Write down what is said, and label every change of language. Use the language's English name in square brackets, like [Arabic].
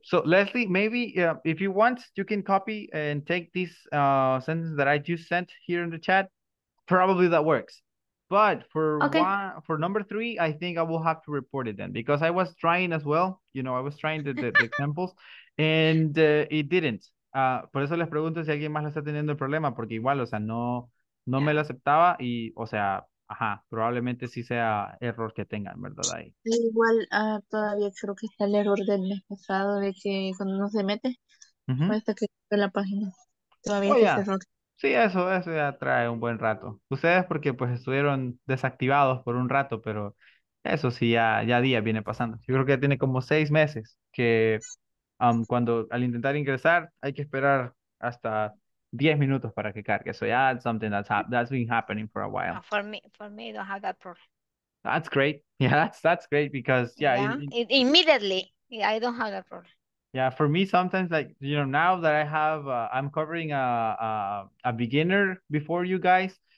[English] So Leslie, maybe if you want, you can copy and take this sentence that I just sent here in the chat. Probably that works. But for number three, I think I will have to report it then, because I was trying as well. You know, I was trying the examples and it didn't. [Spanish] Por eso les pregunto si alguien más lo está teniendo el problema, porque igual, o sea, no me lo aceptaba y, o sea, probablemente sí sea error que tengan, ¿verdad? Ahí. Igual todavía creo que está el error del mes pasado de que cuando uno se mete, cuesta que la página. Todavía está ese error. Sí, eso ya trae un buen rato. Ustedes porque pues estuvieron desactivados por un rato, pero eso sí ya día viene pasando. Yo creo que ya tiene como 6 meses que cuando al intentar ingresar hay que esperar hasta 10 minutos para que cargue. [English] So yeah, that's something that's been happening for a while. For me, I don't have that problem. That's great. Yeah, that's great because immediately I don't have that problem. Yeah, for me, sometimes, like, you know, now that I have, I'm covering a beginner before you guys.